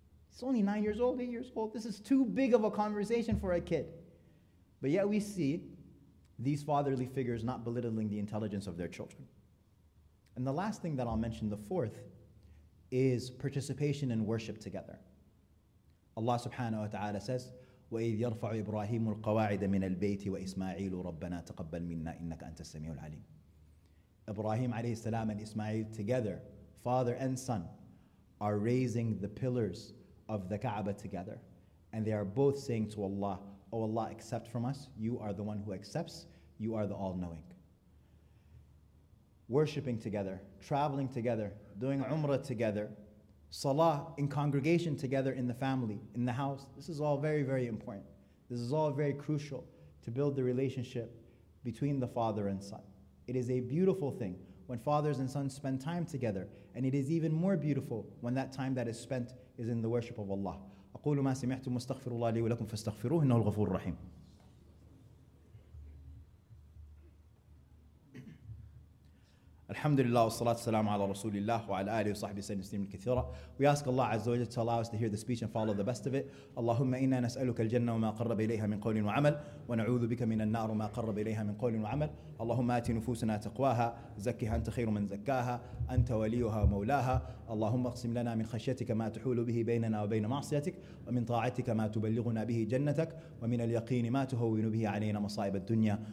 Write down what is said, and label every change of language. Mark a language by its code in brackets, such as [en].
[en] He's only 9 years old, 8 years old. This is too big of a conversation for a kid. But yet we see these fatherly figures not belittling the intelligence of their children. And the last thing that I'll mention, the fourth, is participation in worship together. [ar] Allah subhanahu wa ta'ala says, وَإِذْ يَرْفَعُ إِبْرَاهِيمُ الْقَوَاعِدَ مِنَ الْبَيْتِ وَإِسْمَاعِيلُ رَبَّنَا تَقَبَّلْ مِنَّا إِنَّكَ أَنْتَ السَّمِيعُ الْعَلِيمُ. [en] Ibrahim alayhi salam and Ismail together, father and son, are raising the pillars of the Kaaba together. And they are both saying to Allah, O Allah, accept from us. You are the one who accepts. You are the all-knowing. Worshipping together, traveling together, doing umrah together, salah in congregation together in the family, in the house. This is all very, very important. This is all very crucial to build the relationship between the father and son. It is a beautiful thing when fathers and sons spend time together. And it is even more beautiful when that time that is spent is in the worship of Allah. [ar] أقول ما سمعتم واستغفر الله لي ولكم فاستغفروه إنه الغفور الرحيم. الحمد لله والصلاة والسلام على رسول الله وعلى آله وصحبه سيدنا سليم الكثيرة. [en] We ask Allah عز وجل to allow us to hear the speech and follow the best of it. [ar] اللهم إنا نسألك الجنة وما قرب إليها من قول وعمل ونعوذ بك من النار وما قرب إليها من قول وعمل. اللهم آت نفوسنا تقواها زكها أنت خير من زكاها أنت وليها ومولاها. اللهم اقسم لنا من خشيتك ما تحول به بيننا وبين معصيتك ومن طاعتك ما تبلغنا به جنتك ومن اليقين ما تهون به علينا مصائب الدنيا.